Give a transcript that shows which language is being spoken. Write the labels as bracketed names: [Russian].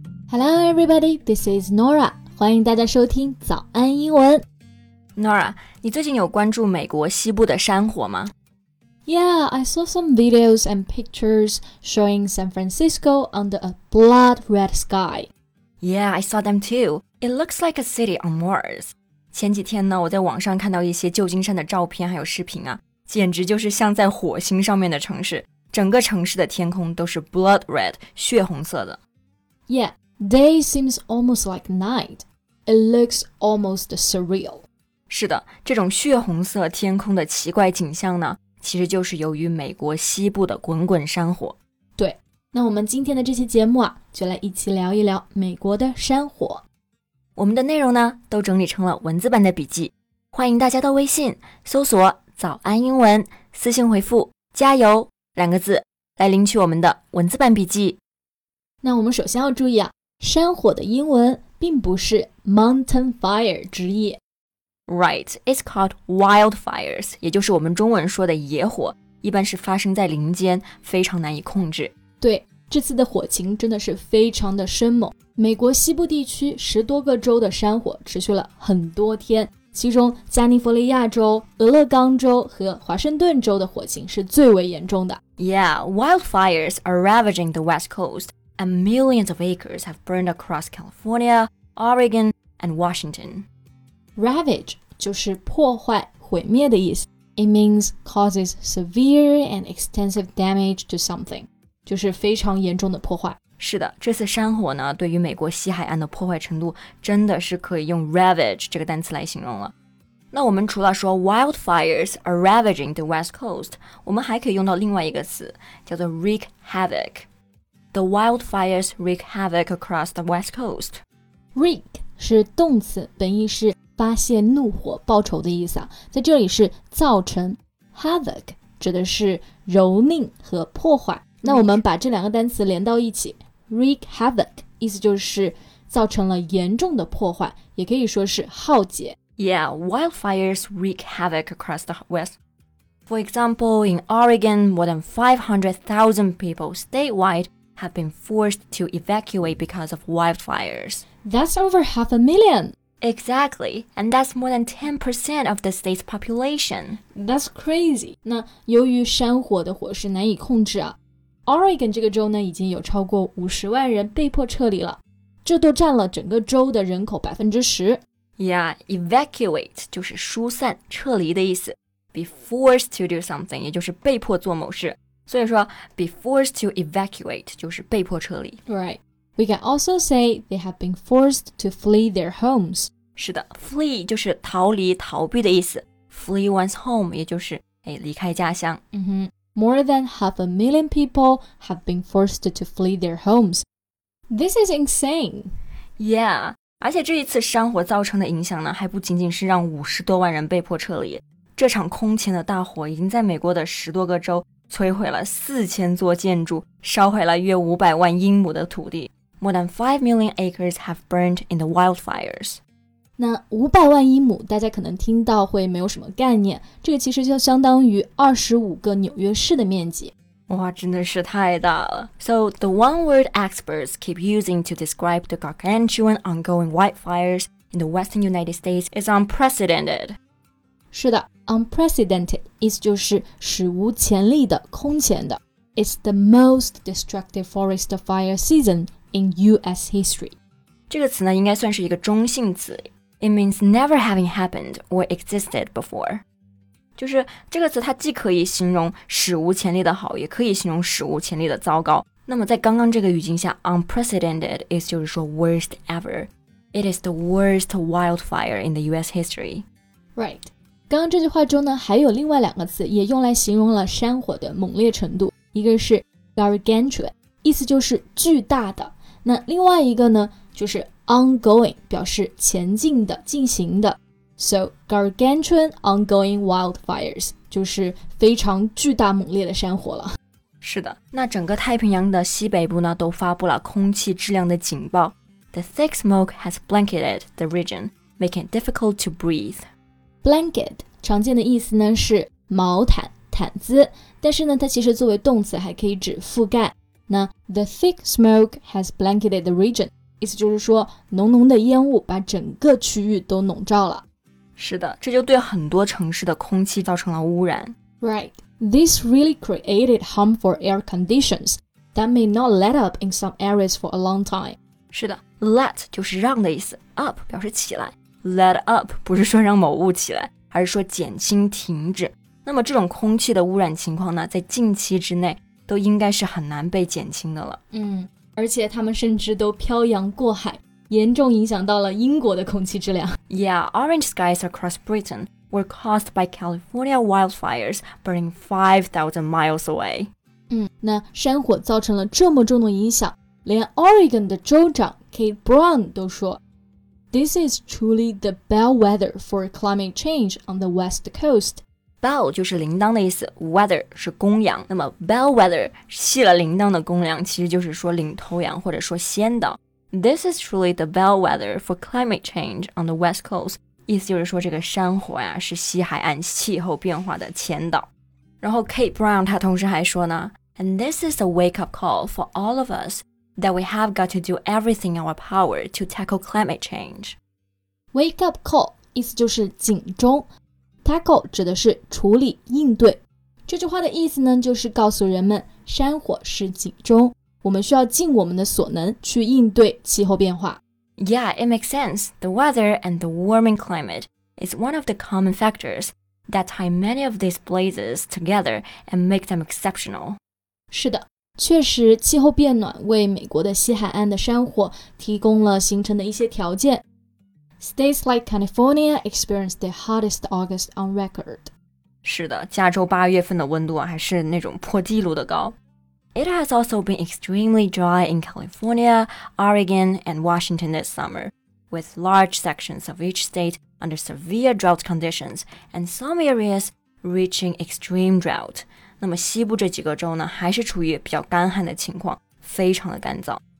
[English] Hello everybody, this is Nora. [Chinese] 欢迎大家收听早安英文。 Nora, 你最近有关注美国西部的山火吗？ [English] Yeah, I saw some videos and pictures showing San Francisco under a blood red sky. Yeah, I saw them too. It looks like a city on Mars. [Chinese] 前几天呢，我在网上看到一些旧金山的照片还有视频啊，简直就是像在火星上面的城市。整个城市的天空都是 [English] blood red, [Chinese] 血红色的。 [English] Yeah, day seems almost like night. It looks almost surreal. [Chinese] 是的，这种血红色天空的奇怪景象呢，其实就是由于美国西部的滚滚山火。对，那我们今天的这期节目啊，就来一起聊一聊美国的山火。我们的内容呢，都整理成了文字版的笔记。欢迎大家到微信搜索早安英文，私信回复加油两个字，来领取我们的文字版笔记。那我们首先要注意啊，山火的英文并不是 [English] mountain fire [Chinese] 直译。 [English] Right, it's called wildfires, [Chinese] 也就是我们中文说的野火，一般是发生在林间，非常难以控制。对，这次的火情真的是非常的生猛。美国西部地区十多个州的山火持续了很多天，其中加利福尼亚州、俄勒冈州和华盛顿州的火情是最为严重的。 [English] Yeah, wildfires are ravaging the West Coast, and millions of acres have burned across California, Oregon, and Washington. [Chinese] Ravage 就是破坏、毁灭的意思。 [English] It means causes severe and extensive damage to something, [Chinese] 就是非常严重的破坏。是的，这次山火呢，对于美国西海岸的破坏程度真的是可以用 ravage 这个单词来形容了。那我们除了说 [English] wildfires are ravaging the West Coast, [Chinese] 我们还可以用到另外一个词，叫做 wreak havoc. [English] The wildfires wreak havoc across the West Coast. [Chinese] Wreak 是动词，本意是发泄怒火报仇的意思啊，在这里是造成 havoc 指的是蹂躏和破坏。那我们把这两个单词连到一起 wreak havoc 意思就是造成了严重的破坏，也可以说是浩劫。 [English] Yeah, wildfires wreak havoc across the west. For example, in Oregon, more than 500,000 people statewide have been forced to evacuate because of wildfires. That's over 500,000. Exactly, and that's more than 10% of the state's population. That's crazy. [Chinese] 那由于山火的火势难以控制啊， Oregon 这个州呢已经有超过50万人被迫撤离了，这都占了整个州的人口 10%. Yeah, evacuate 就是疏散、撤离的意思。 [English] Be forced to do something [Chinese] 也就是被迫做某事，所以说 [English] be forced to evacuate [Chinese] 就是被迫撤离。 [English] Right. We can also say they have been forced to flee their homes. [Chinese] 是的， flee 就是逃离、逃避的意思。 [English] Flee one's home [Chinese] 也就是离开家乡。 Mm-hmm. [English] More than 500,000 people have been forced to flee their homes. This is insane. [Chinese] Yeah, 而且这一次山火造成的影响呢，还不仅仅是让50多万人被迫撤离。这场空前的大火已经在美国的十多个州摧毁了4000座建筑，烧毁了约500万英亩的土地。 [English] More than 5 million acres have burned in the wildfires. [Chinese] 那500万英亩，大家可能听到会没有什么概念，这个其实就相当于25个纽约市的面积。哇，真的是太大了。 [English] So, the one word experts keep using to describe the gargantuan ongoing wildfires in the western United States is unprecedented. [Chinese] 是的， unprecedented 意思就是史无前例的、空前的。 [English] It's the most destructive forest fire seasonIn U.S. history. [Chinese] 这个词呢应该算是一个中性词。 [English] It means never having happened or existed before. [Chinese] 就是这个词它既可以形容史无前例的好，也可以形容史无前例的糟糕。那么在刚刚这个语境下， unprecedented is 就是说 worst ever. [English] It is the worst wildfire in the U.S. history. Right. [Chinese] 刚刚这句话中呢还有另外两个词也用来形容了山火的猛烈程度。一个是 gargantuan,意思就是巨大的。那另外一个呢就是 ongoing, 表示前进的、进行的。 [English] So, gargantuan ongoing wildfires, [Chinese] 就是非常巨大猛烈的山火了。是的，那整个太平洋的西北部呢都发布了空气质量的警报。 [English] The thick smoke has blanketed the region, making it difficult to breathe. [Chinese] Blanket, 常见的意思呢是毛毯、毯子，但是呢，它其实作为动词还可以指覆盖。那 [English] The thick smoke has blanketed the region， [Chinese] 意思就是说浓浓的烟雾把整个区域都笼罩了。是的，这就对很多城市的空气造成了污染。 [English] Right, this really created harmful air conditions that may not let up in some areas for a long time. [Chinese] 是的 ,let 就是让的意思 ,up 表示起来。 Let up 不是说让某物起来，而是说减轻停止。那么这种空气的污染情况呢，在近期之内都应该是很难被减轻的了。嗯，而且他们甚至都漂洋过海，严重影响到了英国的空气质量。 [English] Yeah, orange skies across Britain were caused by California wildfires burning 5,000 miles away. [Chinese] 嗯，那山火造成了这么重的影响，连 Oregon 的州长 Kate Brown 都说 [English] This is truly the bellwether for climate change on the west coast. [Chinese] Bell 就是铃铛的意思， weather 是公羊，那么 bellwether 系了铃铛的公羊，其实就是说领头羊或者说先导。 [English] This is truly the bellwether for climate change on the west coast. [Chinese] 意思就是说这个山火呀，是西海岸气候变化的前导。然后 Kate Brown 她同时还说呢， [English] And this is a wake-up call for all of us that we have got to do everything in our power to tackle climate change. [Chinese] Wake-up call 意思就是警钟， tackle 指的是处理应对。这句话的意思呢，就是告诉人们山火是警钟，我们需要尽我们的所能去应对气候变化。 [English] Yeah, it makes sense. The weather and the warming climate is one of the common factors that tie many of these blazes together and make them exceptional. [Chinese] 是的，确实气候变暖为美国的西海岸的山火提供了形成的一些条件。 [English] States like California experienced the hottest August on record. [Chinese] 是的，加州八月份的温度还是那种破纪录的高。 [English] It has also been extremely dry in California, Oregon, and Washington this summer, with large sections of each state under severe drought conditions and some areas reaching extreme drought. [Chinese] 那么西部这几个州呢，还是处于比较干旱的情况，非常的干燥。